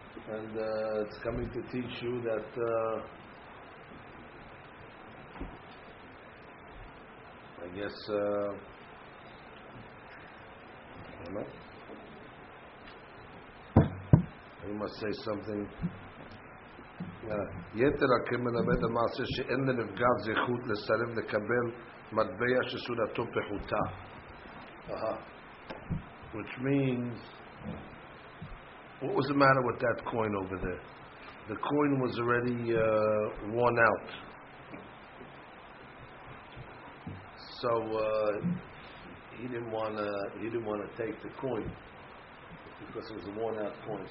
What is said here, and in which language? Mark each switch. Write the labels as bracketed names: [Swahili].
[English] And it's coming to teach you that I guess you must say something. [Hebrew] יתר הכל מלמד המעשה שאין לנפגע זכות לסרב לקבל מטבע שסודתו פחותה. [English] Which means, what was the matter with that coin over there? The coin was already worn out. So he didn't want to take the coin because it was a worn out coin.